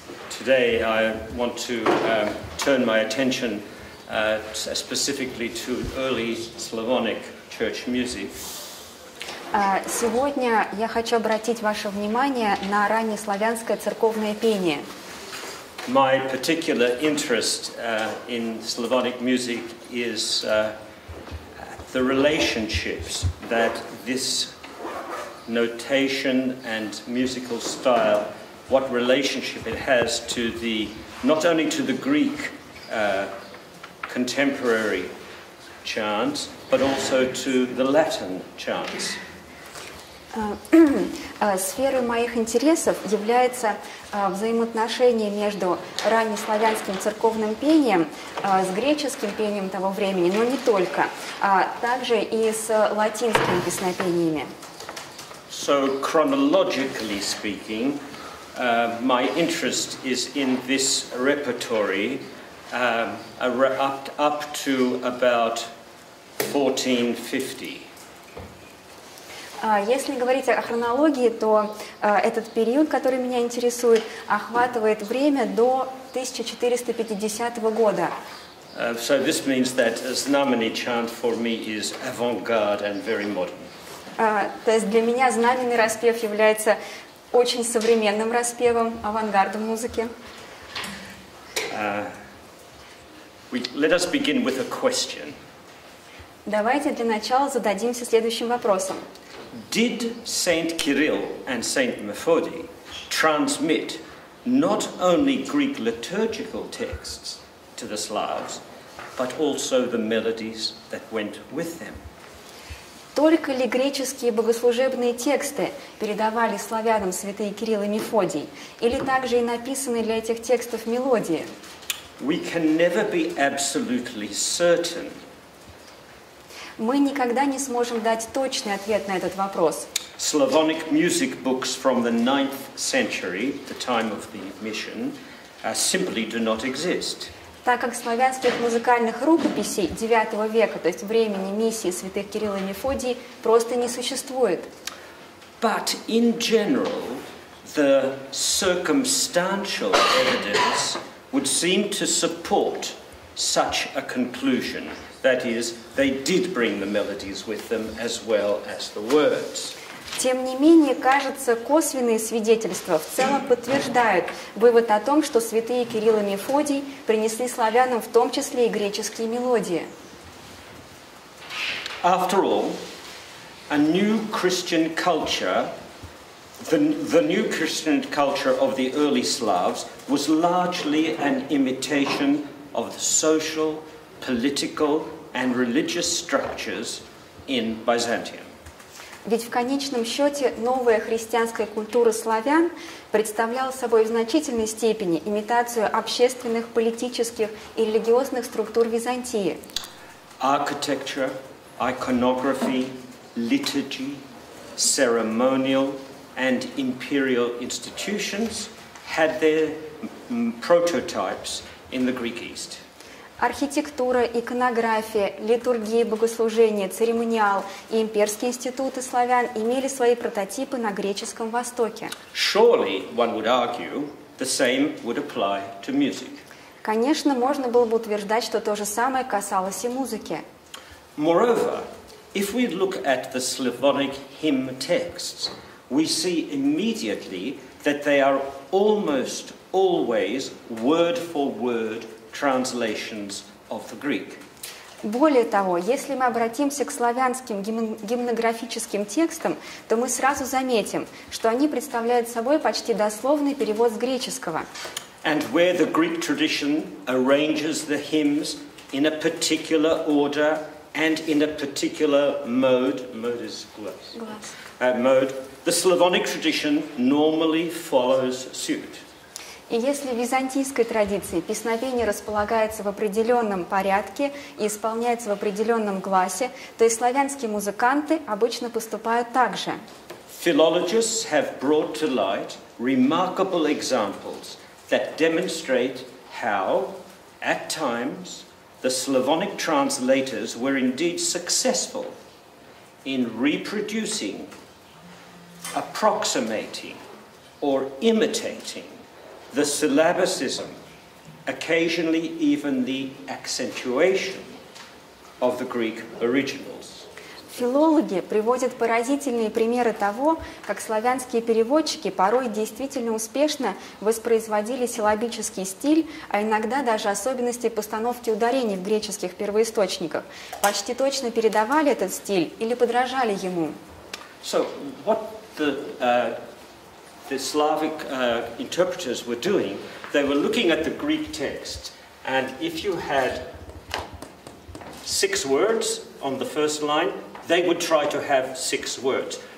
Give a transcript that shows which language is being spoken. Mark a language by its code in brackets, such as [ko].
[en] today I want to turn my attention specifically to early Slavonic church music. [ru] Сегодня я хочу обратить ваше внимание на раннеславянское церковное пение. [en] My particular interest in Slavonic music is the relationships that this notation and musical style, what relationship it has to the, not only to the Greek contemporary chant, but also to the Latin chants. [ru] Сферой моих интересов является взаимоотношение между раннеславянским церковным пением с греческим пением того времени, но не только, а также и с латинскими песнопениями. [en] So chronologically speaking, my interest is in this repertory up to about 1450. [ru] Если говорить о хронологии, то этот период, который меня интересует, охватывает время до 1450 года. [en] So this means that Znamenny chant for me is avant-garde and very modern. [ru] То есть для меня знаменный распев является очень современным распевом, авангардом музыки. [en] Let us begin with a question. [ru] Давайте для начала зададимся следующим вопросом. [en] Did Saint Kirill and Saint Methody transmit not only Greek liturgical texts to the Slavs, but also the melodies that went with them? [ru] Только ли греческие богослужебные тексты передавали славянам святые Кирилл и Мефодий, или также и написанные для этих текстов мелодии? [en] We can never be absolutely certain. [ru] Мы никогда не сможем дать точный ответ на этот вопрос. [en] Slavonic music books from the 9th century, the time of the mission, simply do not exist. [ru] Так как славянских музыкальных рукописей 9 века, то есть времени миссии святых Кирилла и Мефодия, просто не существует. [en] But in general, the circumstantial evidence would seem to support such a conclusion. That is, they did bring the melodies with them as well as the words. [ru] Тем не менее, кажется, косвенные свидетельства в целом подтверждают вывод о том, что святые Кирилл и Мефодий принесли славянам в том числе и греческие мелодии. [en] After all, a new Christian culture, the new Christian culture of the early Slavs was largely an imitation of the social, political and religious structures in Byzantium. [ru] Ведь в конечном счете новая христианская культура славян представляла собой в значительной степени имитацию общественных, политических и религиозных структур Византии. [en] Architecture, iconography, liturgy, ceremonial and imperial institutions had their prototypes in the Greek East. [ru] Архитектура, иконография, литургия, богослужение, церемониал и имперские институты славян имели свои прототипы на греческом Востоке. [en] Surely, one would argue, the same would apply to music. [ru] Конечно, можно было бы утверждать, что то же самое касалось и музыки. [en] Moreover, if we look at the Slavonic hymn texts, we see immediately that they are almost always word for word translations of the Greek. [ru] Более того, если мы обратимся к славянским гимнографическим текстам, то мы сразу заметим, что они представляют собой почти дословный перевод с греческого. [en] And where the Greek tradition arranges the hymns in a particular order and in a particular mode is glass, the Slavonic tradition normally follows suit. [ru] И если в византийской традиции песнопение располагается в определенном порядке и исполняется в определенном гласе, то и славянские музыканты обычно поступают так же. [en] Philologists have brought to light remarkable examples that demonstrate how, at times, the Slavonic translators were indeed successful in reproducing, approximating, or imitating the syllabicism, occasionally even the accentuation of the Greek originals. [ru] Филологи приводят поразительные примеры того, как славянские переводчики порой действительно успешно воспроизводили силлабический стиль, а иногда даже особенности постановки ударений в греческих первоисточниках. Почти точно передавали этот стиль или подражали ему. [en] So what the Slavic interpreters were doing, they were looking at the Greek text, and if you had six words on the first line, they would try to have six words.